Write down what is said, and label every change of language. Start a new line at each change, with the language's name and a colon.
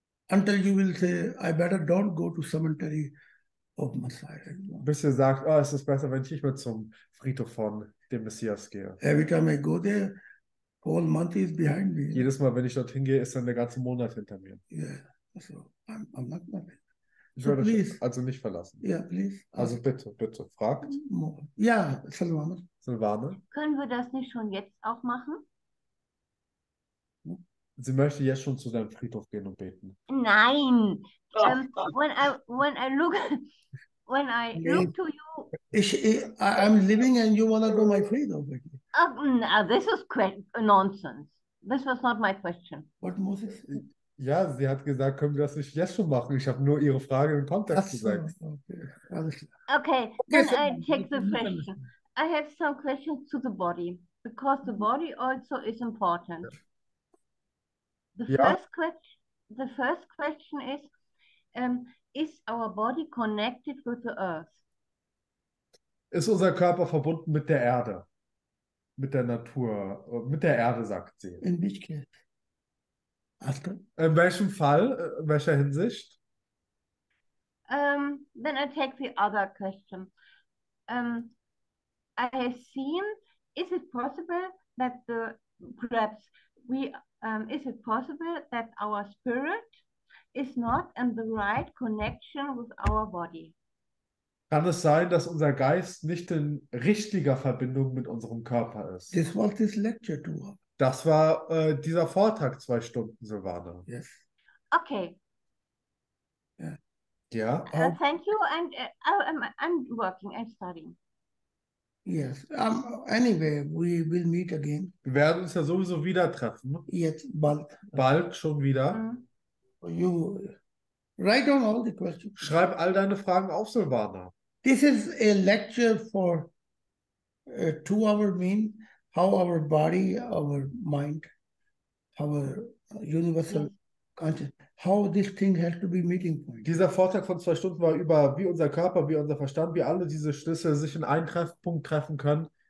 English: Until you will say, I better don't go to cemetery of Messiah.
German: Bis ihr sagt, oh, es ist besser, wenn ich nicht mehr zum Friedhof von dem Messias gehe.
English: Every time I go there, whole month is behind me.
German: Jedes Mal, wenn ich dorthin gehe, ist dann der ganze Monat hinter mir.
English: Yeah, so I'm not gonna be.
German: Ich würde
English: please,
German: also nicht verlassen. Ja,
English: yeah, please.
German: Also bitte, fragt. Ja, Silvana. Silvana. Können wir das nicht schon jetzt auch machen? Sie möchte jetzt schon zu deinem Friedhof gehen und beten. Nein.
English: When I look to you. I'm living and you wanna go to my friedhof. This is nonsense. This was not my question. What Moses?
German: Ja, sie hat gesagt, können wir das nicht jetzt schon machen? Ich habe nur ihre Frage im Kontext gesagt.
English: Okay, then I take the question. I have some questions to the body, because the body also is important. The first question is, is our body connected with the earth?
German: Ist unser Körper verbunden mit der Erde? Mit der Natur, mit der Erde, sagt sie.
English: In which case?
German: In welchem Fall, in welcher Hinsicht?
English: Then I take the other question. I have seen, is it possible that the, perhaps, is it possible that our spirit is not in the right connection with our body?
German: Kann es sein, dass unser Geist nicht in richtiger Verbindung mit unserem Körper ist?
English: This was this lecture tour.
German: Das war dieser Vortrag 2 Stunden, Silvana.
English: Yes. Okay. Yeah.
German: Ja.
English: Thank you. And I'm working. I'm studying. Yes. Anyway, we will meet again.
German: Wir werden uns ja sowieso wieder treffen. Jetzt bald. Bald schon wieder.
English: Mm-hmm. You write down all the questions.
German: Schreib all deine Fragen auf, Silvana.
English: This is a lecture for a 2-hour meeting. How our body, our mind, our universal consciousness, how this thing has to be meeting point.
German: Dieser Vortrag von 2 Stunden war über, wie unser Körper, wie unser Verstand, wie alle diese Schlüssel sich in einen Treffpunkt treffen können.